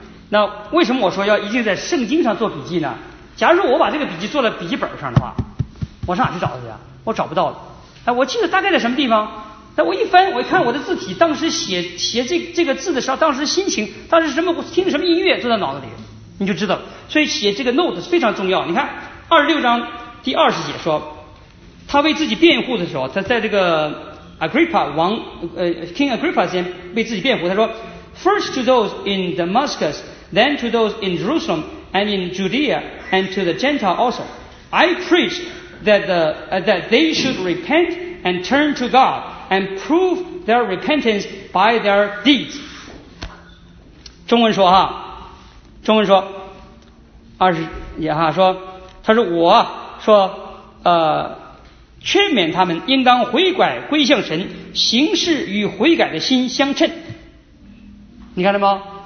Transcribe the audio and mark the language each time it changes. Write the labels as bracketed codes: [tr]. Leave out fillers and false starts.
[zh] 那为什么我说要一定在圣经上做笔记呢？假如我把这个笔记做在笔记本上的话，我上哪去找去啊？我找不到的。哎，我记得大概在什么地方，但我一翻，我一看我的字体，当时写这个字的时候，当时心情，当时什么听什么音乐，都在脑子里，你就知道了。所以写这个 note 非常重要。你看二十六章第二十节说。他为自己辩护的时候，他在这个 [en] Agrippa 王King Agrippa [zh] 之前为自己辩护，他说 [en] First to those in Damascus, then to those in Jerusalem and in Judea and to the Gentile also, I preached that they should repent and turn to God and prove their repentance by their deeds. [zh] 中文说二十也哈说，他说我说劝勉他们应当悔改归向神，行事与悔改的心相称。你看到吗？